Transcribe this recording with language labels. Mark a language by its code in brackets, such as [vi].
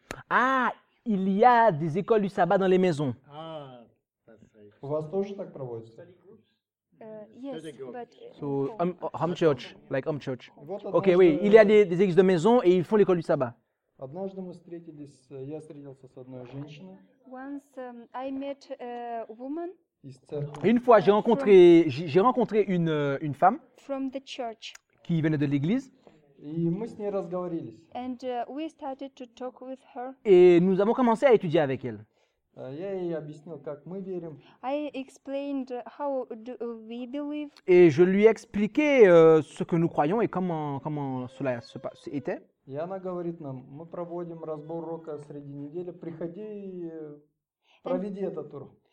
[fr] Ah, il y a des écoles du sabbat dans les maisons. [en] Ah, that's right. [ru] У вас тоже так проводится? [en] Yes, but home church, like home church. [fr] Ok, oui, il y a des églises de maison et ils font l'école du sabbat. [ru] Однажды мы встретились, я встретился с одной женщиной. [en] Once I met a woman. [fr] Une fois, j'ai rencontré une femme. [en] From the church. [fr] Qui venait de l'église. [ru] И мы с ней разговорились. [en] And we started to talk with her. [fr] Et nous avons commencé à étudier avec elle. [ru] Я ей объяснил, как мы верим. [en] I explained how do we believe. [fr] Et je lui ai expliqué ce que nous croyons et comment cela se passe était. [ru] И она говорит нам, мы проводим разбор урока среди недели, приходи и проведи этот урок.